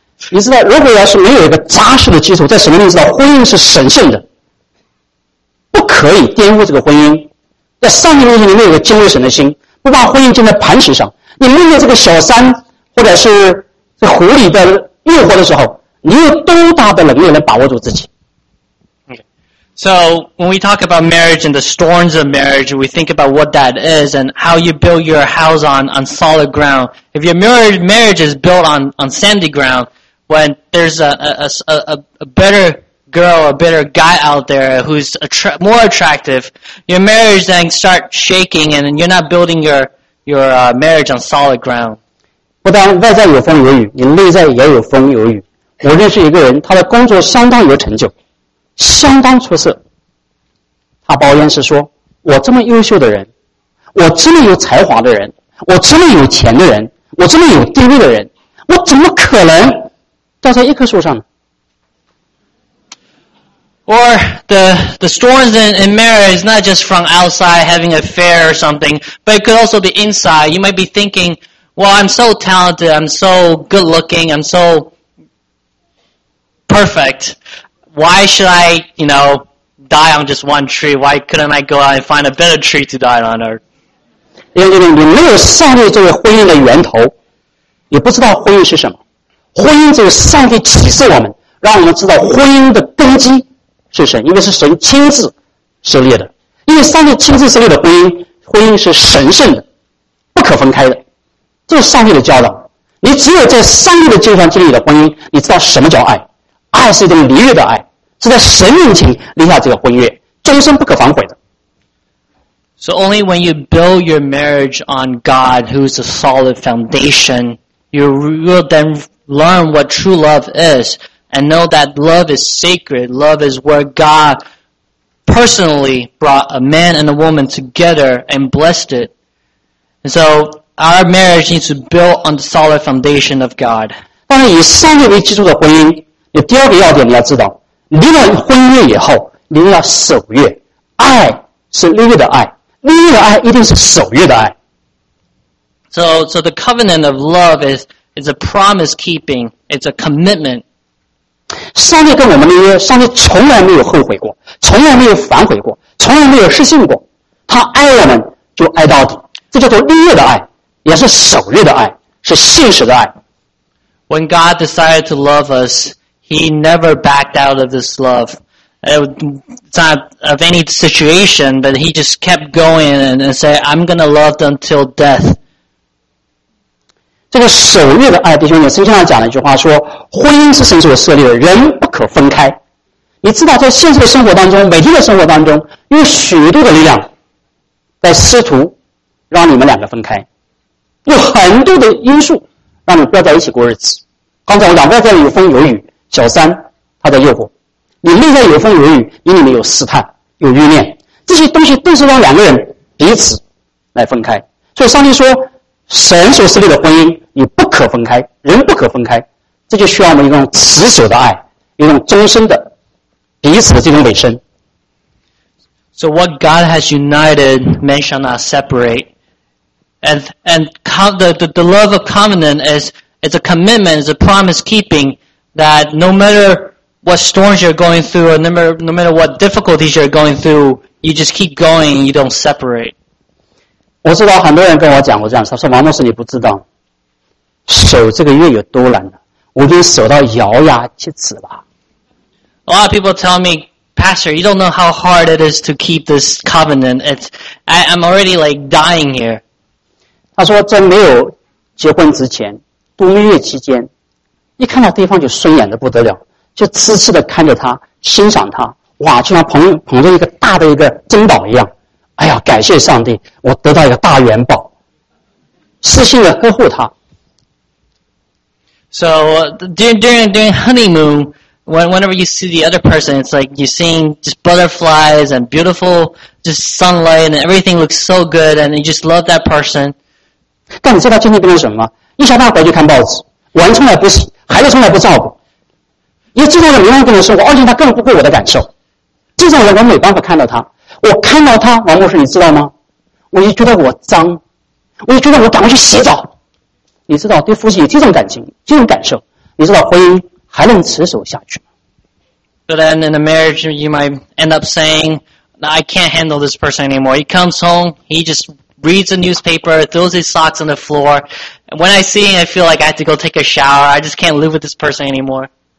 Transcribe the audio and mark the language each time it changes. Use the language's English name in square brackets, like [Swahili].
[Chinese] 你知道，如果要是没有一个扎实的基础，在神面前知道婚姻是神圣的，不可以玷污这个婚姻。在上帝面前，你没有一个敬畏神的心，不把婚姻建在磐石上。你面对这个小三或者是这狐狸的诱惑的时候，你有多大的能力能把握住自己？ [English] So when we talk about marriage and the storms of marriage, we think about what that is and how you build your house on solid ground. If your marriage is built on sandy ground, when there's a better girl or a better guy out there who's more attractive, your marriage then starts shaking and you're not building your marriage on solid ground. [Chinese] 不但外在有风有雨，你内在也有风有雨。我认识一个人，他的工作相当有成就。相当出色，他抱怨是说，我这么优秀的人，我这么有才华的人，我这么有钱的人，我这么有地位的人，我怎么可能掉在一棵树上呢？ [English] Or the storms in marriage is not just from outside having affair or something, but it could also be inside. You might be thinking, well, I'm so talented, I'm so good looking, I'm so perfect. Why should I, you know, die on just one tree? Why couldn't I go out and find a better tree to die on earth? [Chinese] 因为你没有上帝作为婚姻的源头，也不知道婚姻是什么。婚姻只有上帝启示我们，让我们知道婚姻的根基是神，因为是神亲自设立的。因为上帝亲自设立的婚姻是神圣的，不可分开的。这是上帝的教导。你只有在上帝的阶段建立你的婚姻，你知道什么叫爱。爱是一种离约的爱，是在神面前立下这个婚约，终身不可反悔的。 [English] So only when you build your marriage on God, who is a solid foundation, you will then learn what true love is, and know that love is sacred. Love is where God personally brought a man and a woman together and blessed it. And so our marriage needs to build on the solid foundation of God. [Chinese] 当然，以上帝为基础的婚姻。你第二个要点你要知道，离了婚约以后，你要守约。爱是立约的爱，立约的爱一定是守约的爱。 [English] So the covenant of love is a promise keeping, it's a commitment. [Chinese] 上帝跟我们立约，上帝从来没有后悔过，从来没有反悔过，从来没有失信过。他爱我们就爱到底，这叫做立约的爱，也是守约的爱，是信实的爱。 [English] When God decided to love us,He never backed out of this love. It's not of any situation, but he just kept going and said, I'm going to love them till death. [Chinese] 这个守约的爱，弟兄们，圣经上讲了一句话说，婚姻是神所设立的，人不可分开。你知道在现实的生活当中，每天的生活当中，有许多的力量在试图让你们两个分开。有很多的因素让你不要在一起过日子。刚才我讲外在有风有雨。小三他的诱惑，你内在有风有雨，你里面有试探有欲念，这些东西都是让两个人彼此来分开。所以上帝说，神所设立的婚姻你不可分开，人不可分开，这就需要我们一种持久的爱，一种终身的彼此的这种委身。 [English] So what God has united, men shall not separate. And the love of covenant is a commitment, is a promise keepingThat no matter what storms you're going through, or no matter what difficulties you're going through, you just keep going, you don't separate. [Chinese] 我知道很多人跟我讲过这样，他说王牧师你不知道，守这个约有多难的，我已经守到咬牙切齿了。 [English] A lot of people tell me, Pastor, you don't know how hard it is to keep this covenant. I'm already like dying here. [Chinese] 他说在没有结婚之前，度蜜月期间。一看到对方就顺眼的不得了，就痴痴的看着他，欣赏他，哇，就像捧着一个大的一个珍宝一样，哎呀，感谢上帝，我得到一个大元宝，痴心的呵护他。 [English] So during honeymoon, whenever you see the other person, it's like you're seeing just butterflies and beautiful just sunlight and everything looks so good and you just love that person. [Chinese] 但你知道今天变成什么？一下班回去看报纸，碗从来不洗，孩子从来不照顾，也知道了别人跟我生活，而且他更不顾我的感受。这种人我没办法看到他，我看到他，王牧师你知道吗？我就觉得我脏，我就觉得我赶快去洗澡。你知道对夫妻有这种感情，这种感受，你知道婚姻还能持守下去吗？ [English] So then in the marriage you might end up saying I can't handle this person anymore. He comes home, he just reads the newspaper, throws his socks on the floor. When I see him, I feel like I have to go take a shower. I just can't live with this person anymore.